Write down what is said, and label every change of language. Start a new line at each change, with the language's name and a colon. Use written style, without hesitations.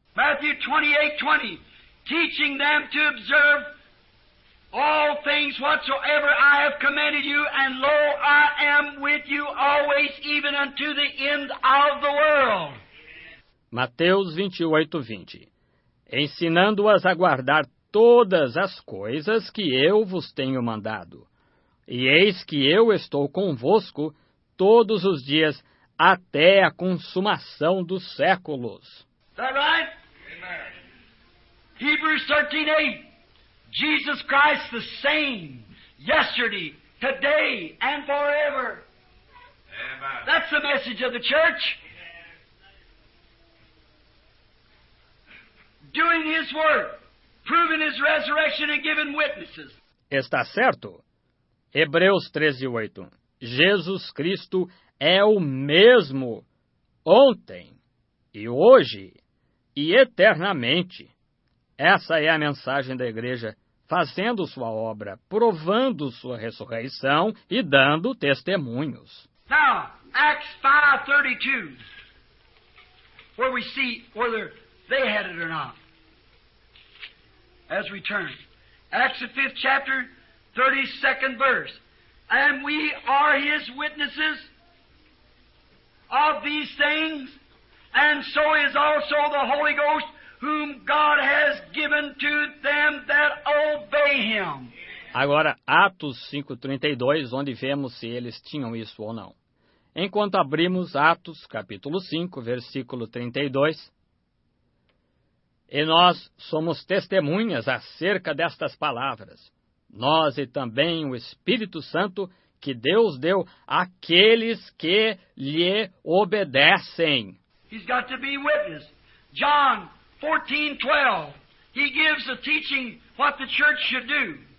English: Matthew 28:20. Teaching them to observe all things whatsoever I have commanded you, and lo, I am with you always, even unto the end of the world.
Portuguese: Mateus 28:20. Ensinando-as a guardar todas as coisas que eu vos tenho mandado. E eis que eu estou convosco todos os dias até a consumação dos séculos.
English: Is that right? Amen. Hebrews 13:8. Jesus Christ the same yesterday, today, and forever. Amen. That's the message of the church. Doing his work, proving his resurrection and giving witnesses.
Portuguese: Está certo? Hebreus 13:8. Jesus Cristo é o mesmo ontem e hoje e eternamente. Essa é a mensagem da igreja, fazendo sua obra, provando sua ressurreição e dando testemunhos.
English: Now, Acts 5:32, where we see whether they had it or not. As we turn. Acts 5:32. And we are his witnesses of these things, and so is also the Holy Ghost, whom God has given to them that obey him.
Portuguese: Agora, Atos 5:32, onde vemos se eles tinham isso ou não. Enquanto abrimos Atos 5:32. E nós somos testemunhas acerca destas palavras, nós e também o Espírito Santo que Deus deu àqueles que lhe obedecem.
English: He's got to be witness. John 14:12. He gives a teaching what the church should do.